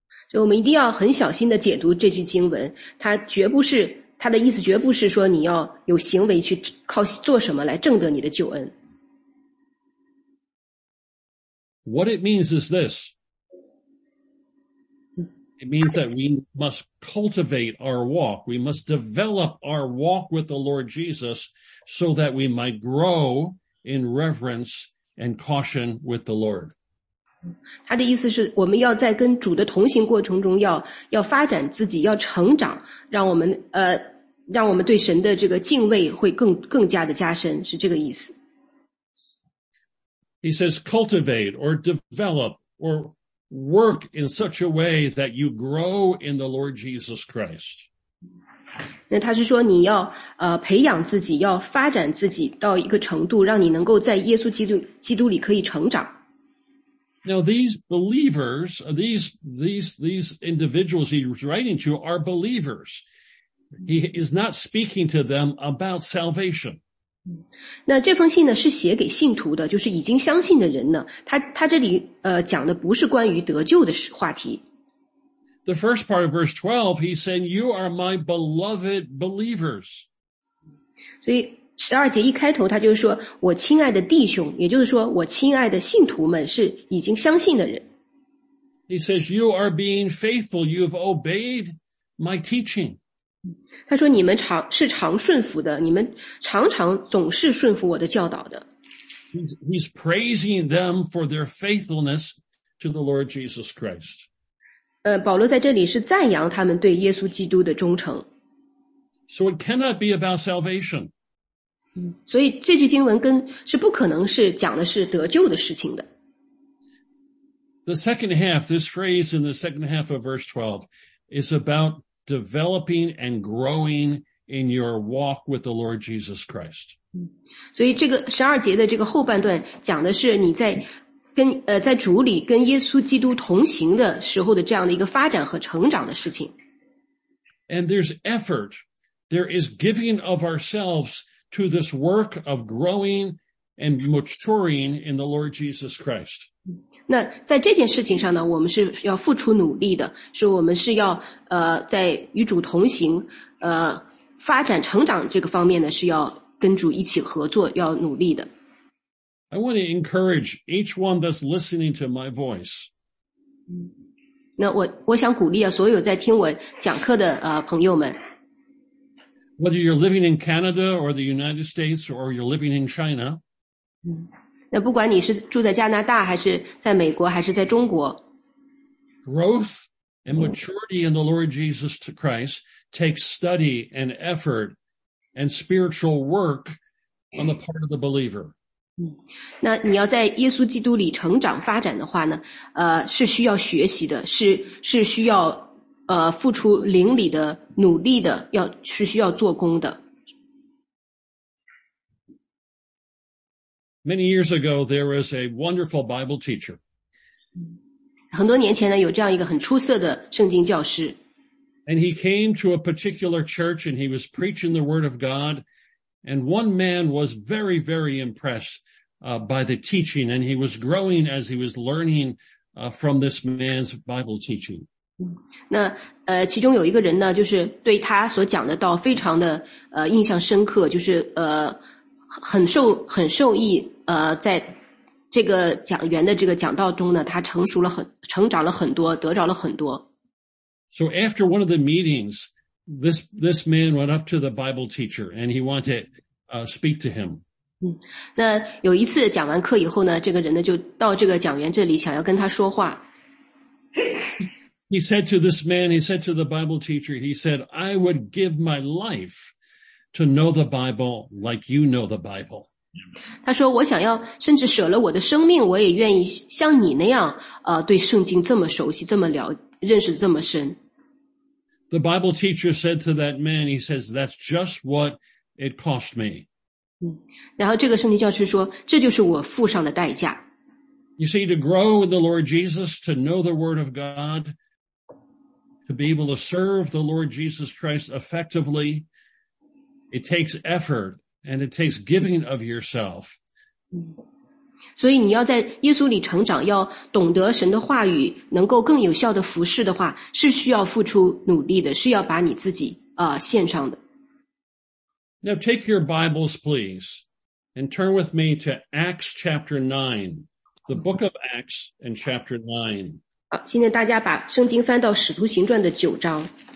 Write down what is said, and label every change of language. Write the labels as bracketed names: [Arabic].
[Chinese] 所以我们一定要很小心地解读这句经文，它的意思绝不是说你要有行为去靠做什么来证得你的救恩。 [English] What it means is this. It means that we must cultivate our walk. We must develop our walk with the Lord Jesus so that we might grow in reverence and caution with the Lord. [Chinese] 他的意思是我们要在跟主的同行过程中要发展自己，要成长，让我们对神的这个敬畏会更加的加深，是这个意思。 [English] He says cultivate or develop or work in such a way that you grow in the Lord Jesus Christ. [Chinese] 那他是说你要培养自己，要发展自己到一个程度，让你能够在耶稣基督里可以成长。 [English] Now these believers, these individuals he's writing to are believers. He is not speaking to them about salvation. [Chinese] 那这封信呢是写给信徒的，就是已经相信的人呢，他这里讲的不是关于得救的话题。 [English] The first part of verse 12, he said, you are my beloved believers. [Chinese] 所以12节一开头他就说我亲爱的弟兄，也就是说我亲爱的信徒们是已经相信的人。 [English] He says, you are being faithful, you've obeyed my teaching. [Chinese] 他说你们是常顺服的，你们常常总是顺服我的教导的。 [English] He's praising them for their faithfulness to the Lord Jesus Christ. [Chinese] 保罗在这里是赞扬他们对耶稣基督的忠诚。 [English] So it cannot be about salvation. [Chinese] 所以这句经文是不可能是讲的是得救的事情的。 [English] The second half, this phrase in the second half of verse 12 is aboutDeveloping and growing in your walk with the Lord Jesus Christ. [Chinese] 所以这个十二节的这个后半段讲的是你在跟在主里跟耶稣基督同行的时候的这样的一个发展和成长的事情。 [English] And there's effort. There is giving of ourselves to this work of growing and maturing in the Lord Jesus Christ. [Chinese] 那在这件事情上呢，我们是要付出努力的，是我们是要在与主同行发展成长这个方面呢，是要跟主一起合作，要努力的。 [English] I want to encourage each one that's listening to my voice. [Chinese] 那我想鼓励啊，所有在听我讲课的朋友们。 [English] Whether you're living in Canada or the United States or you're living in China. [Chinese] 那不管你是住在加拿大还是在美国还是在中国。 [English] Growth and maturity in the Lord Jesus Christ takes study and effort and spiritual work on the part of the believer. [Chinese] 那你要在耶稣基督里成长发展的话呢是需要学习的，是需要付出灵里的努力的，是需要做工的。 [English] Many years ago, there was a wonderful Bible teacher. [Chinese] 很多年前呢，有这样一个很出色的圣经教师。 [English] And he came to a particular church and he was preaching the word of God. And one man was very, very impressed, by the teaching. And he was growing as he was learning, from this man's Bible teaching. [Chinese] 那其中有一个人呢，就是对他所讲的道非常的印象深刻，就是很受益在这个讲员的这个讲道中呢，他成长了很多，得着了很多。 [English] So after one of the meetings, this man went up to the Bible teacher and he wanted to speak to him. [Chinese] 那有一次讲完课以后呢，这个人呢就到这个讲员这里想要跟他说话。 [English] He said to this man, he said to the Bible teacher, he said, I would give my life to know the Bible like you know the Bible. [Chinese] 他说我想要甚至舍了我的生命，我也愿意像你那样对圣经这么熟悉，这么了认识这么深。 [English] The Bible teacher said to that man, he says, that's just what it cost me. [Chinese] 然后这个圣经教师说，这就是我付上的代价。 [English] You see, to grow in the Lord Jesus, to know the Word of God, to be able to serve the Lord Jesus Christ effectively, it takes effort and it takes giving of yourself. [Chinese] 所以你要在耶稣里成长，要懂得神的话语，能够更有效的服侍的话，是需要付出努力的，是要把你自己献上的。 [English] Now take your Bibles, please, and turn with me to Acts chapter 9, the book of Acts and chapter 9. [Chinese] 好，现在大家把圣经翻到《使徒行传》的九章。